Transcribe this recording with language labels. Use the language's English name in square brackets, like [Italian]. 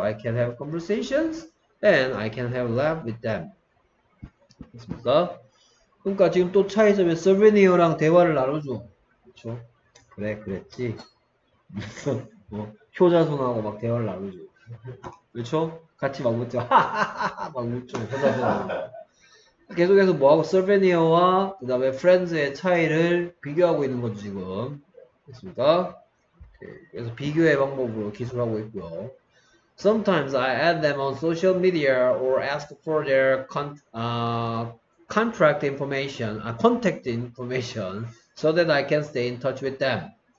[English] I can have conversations and I can have laugh with them. [Korean] 됐습니까? 그러니까 지금 또 차이점에 서비니어랑 대화를 나누죠. 그렇죠? 그래, 그랬지. 뭐 효자손하고 막 대화를 나누죠. 그렇죠? 같이 막 웃죠. 막 웃죠. 효자손하고. 계속해서 뭐하고 서비니어와 그 다음에 프렌즈의 차이를 비교하고 있는 거죠, 지금. 됐습니까? 그래서 비교의 방법으로 기술하고 있고요. [English] Sometimes I add them on social media or ask for their contract information, contact information, so that I can stay in touch with them.